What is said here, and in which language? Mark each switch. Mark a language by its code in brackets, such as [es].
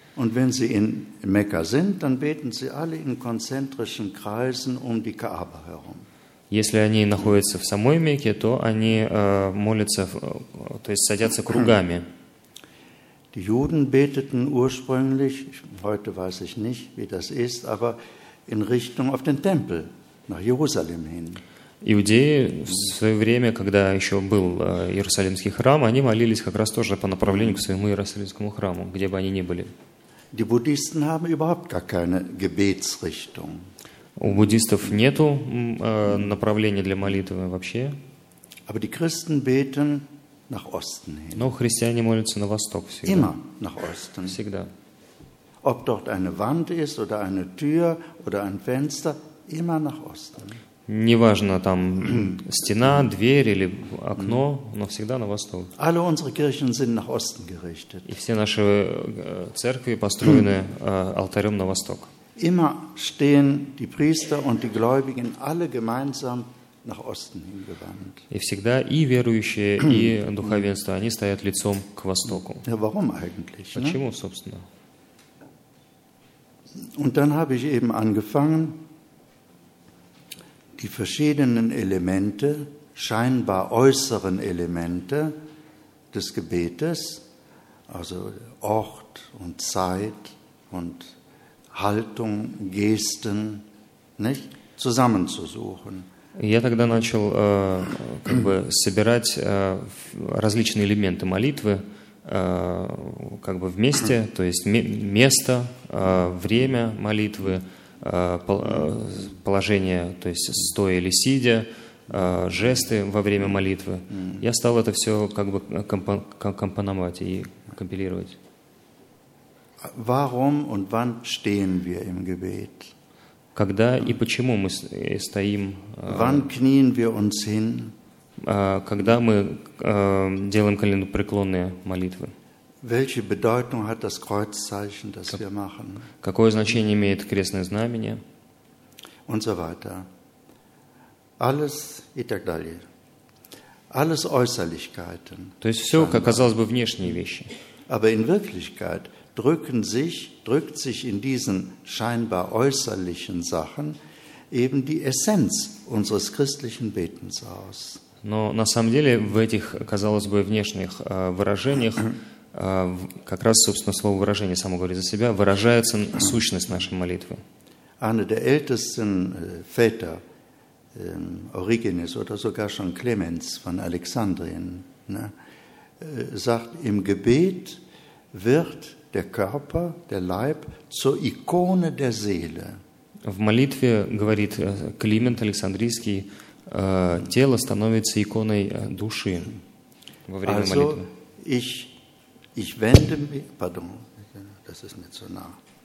[de] Und wenn sie in Mekka sind, dann beten sie alle in konzentrischen Kreisen um die Kaaba herum. [ru] Если они находятся в самой Мекке, то они молятся, то есть садятся кругами. [de] Die Juden beteten ursprünglich, heute weiß ich nicht, wie das ist, aber in Richtung auf den Tempel nach Jerusalem hin. [ru] Иудеи в свое время, когда еще был Иерусалимский храм, они молились как раз тоже по направлению к своему Иерусалимскому храму, где бы они ни были. [de] Die Buddhisten haben überhaupt gar keine Gebetsrichtung. [ru] У буддистов нету направления для молитвы вообще. [de] Aber die Christen beten nach Osten hin. [ru] Но христиане молятся на восток всегда. [de] Immer nach Osten. [ru] Всегда. [de] Ob dort eine Wand ist oder eine Tür oder ein Fenster, immer nach Osten. [ru] Неважно там стена, дверь или окно, но всегда на восток. [de] Alle unsere Kirchen sind nach Osten gerichtet. [ru] И все наши церкви построены алтарем на восток. [de] Immer stehen die Priester und die Gläubigen alle gemeinsam nach Osten hingewandt. [ru] И всегда и верующие, и духовенство, они стоят лицом к востоку. [de] Ja, warum eigentlich? [ru] Почему, ne? собственно? [de] Und dann habe ich eben angefangen, die verschiedenen Elemente, scheinbar äußeren Elemente des Gebetes, also Ort und Zeit und Haltung, Gesten, nicht, zusammenzusuchen. [ru] Я тогда начал как бы собирать различные элементы молитвы как бы вместе, то есть место, время молитвы, положение, то есть стоя или сидя, жесты во время молитвы. Я стал это все как бы компоновать и компилировать. [de] Warum und wann stehen wir im Gebet? [ru] Когда и почему мы стоим? [de] Wann knien wir uns hin? [ru] Когда мы делаем коленопреклонные молитвы? [de] Welche Bedeutung hat das Kreuzzeichen, das wir machen? [ru] Какое значение имеет крестное знамение? [de] Und so weiter. Alles [ru] и так далее. [de] Alles Äußerlichkeiten. [ru] То есть все, как казалось бы, внешние вещи. [de] Aber in Wirklichkeit drückt sich in diesen scheinbar äußerlichen Sachen eben die Essenz unseres christlichen Betens aus. [ru] Но на самом деле в этих, казалось бы, внешних выражениях как раз, собственно, слово выражение само говорит за себя, выражается сущность нашей молитвы. [de] Einer der ältesten Väter, Origenes oder sogar schon Clemens von Alexandrien, ne, sagt, im Gebet wird der Körper, der Leib zur Ikone der Seele. [ru] В молитве, говорит Климент Александрийский, тело становится иконой души во время [de] also, [ru] молитвы. [de] Ich wende mich, pardon, das ist mir zu nah.